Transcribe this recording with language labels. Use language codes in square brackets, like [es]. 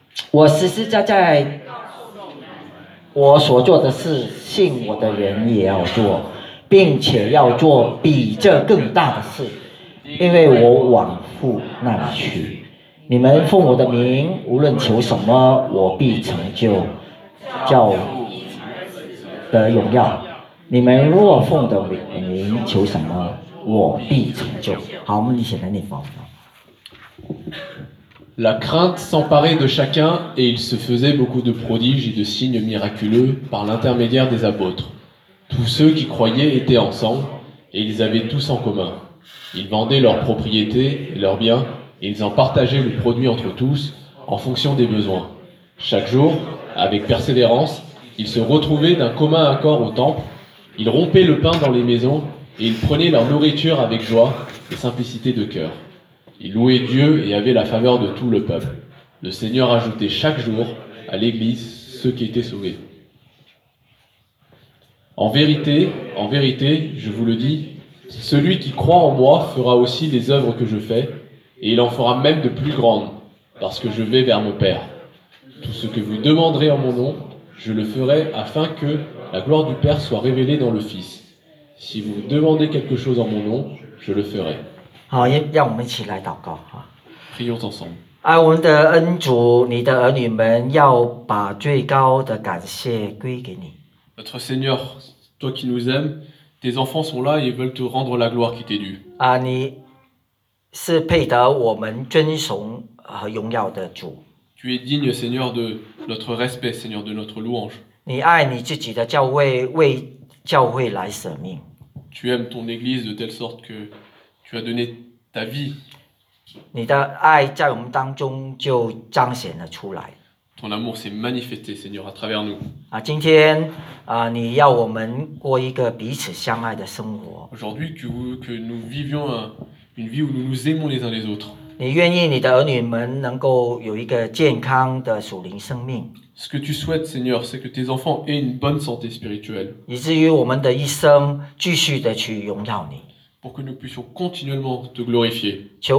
[zh] 我实实在在，我所做的事，信我的人也要做，并且要做比这更大的事，因为我往父那里去。你们奉我的名，无论求什么，我必成就，叫。的荣耀，你们若奉的名求什么，我必成就。好，我们一起来念吧。 [fr] La crainte s'emparait de chacun et il se faisait beaucoup de prodiges et de signes miraculeux par l'intermédiaire des apôtres. Tous ceux qui croyaient étaient ensemble et ils avaient tous en commun. Ils vendaient leurs propriétés et leurs biens et ils en partageaient le produit entre tous en fonction des besoins. Chaque jour, avec persévérance,Ils se retrouvaient d'un commun accord au temple, ils rompaient le pain dans les maisons, et ils prenaient leur nourriture avec joie et simplicité de cœur. Ils louaient Dieu et avaient la faveur de tout le peuple. Le Seigneur ajoutait chaque jour à l'Église ceux qui étaient sauvés. En vérité, je vous le dis, celui qui croit en moi fera aussi les œuvres que je fais, et il en fera même de plus grandes, parce que je vais vers mon Père. Tout ce que vous demanderez en mon nom,Je le ferai afin que la gloire du Père soit révélée dans le Fils. Si vous demandez quelque chose en mon nom, je le ferai. [zh] 好，让我们一起来祷告哈。 [fr] Prions ensemble. [zh] 爱我们的恩主，你的儿女们要把最高的感谢归给你。 [fr] Notre Seigneur, toi qui nous aimes, tes enfants sont là et veulent te rendre la gloire qui t'est due. [zh] 啊，你是配得我们尊崇和荣耀的主。 [fr] Tu es digne, Seigneur, de notre respect, Seigneur, de notre louange. [zh] 你爱你自己的教会，为教会来舍命。 [fr] tu aimes ton église de telle sorte que tu as donné ta vie. [zh] 你的爱在我们当中就彰显了出来。 [fr] Ton amour s'est manifesté, Seigneur, à travers nous. [zh] 今天你要我们过一个彼此相爱的生活。 [fr] Aujourd'hui, que nous vivions une vie où nous nous aimons les uns les autres. [zh] 你愿意你的儿女们能够有一个健康的属灵生命。 [fr] Ce que tu souhaites, Seigneur, c'est que tes enfants aient une bonne santé spirituelle. [zh] 以至于我们的一生继续地去荣耀你。 [fr] Pour que nous puissions continuellement te glorifier.